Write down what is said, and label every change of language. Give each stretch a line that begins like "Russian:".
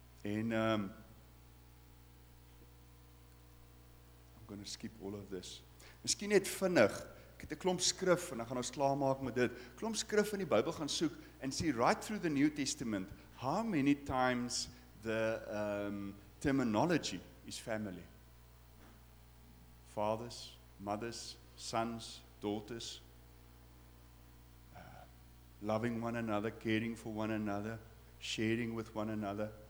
English: En I'm going to skip all of this.
Afrikaans: Miskien net vinnig, ek het 'n klomp skrif en dan gaan ons klaar maak met dit. Klomp skrif in die Bybel gaan soek
English: and see right through the New Testament how many times the terminology is family. Fathers, mothers, sons, daughters, loving one another, caring for one another, sharing with one another.